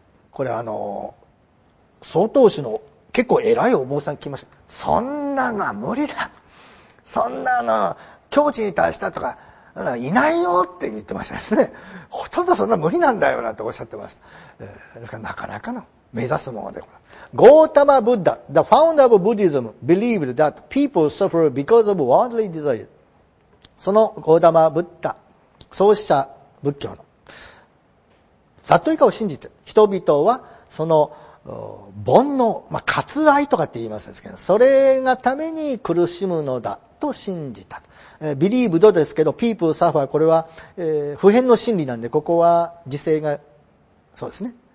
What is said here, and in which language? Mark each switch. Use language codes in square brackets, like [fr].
[ja] これ曹洞宗の結構偉いお坊さん来ました。そんなのは無理だ、そんなの境地に達したとかいないよって言ってましたですね。ほとんどそんな無理なんだよなんておっしゃってました。ですからなかなかの目指すものでございます。 [en] ゴータマブッダ The founder of Buddhism believed that people suffer because of worldly desire. [ja] そのゴータマブッダ創始者仏教のざっと以下を信じて人々はその煩悩、まあ、割愛とかって言いますですけど、それがために苦しむのだと信じた。 believed ですけど、 [en] people suffer、 [ja] これは、普遍の真理なんで、ここは時制が、そうですね。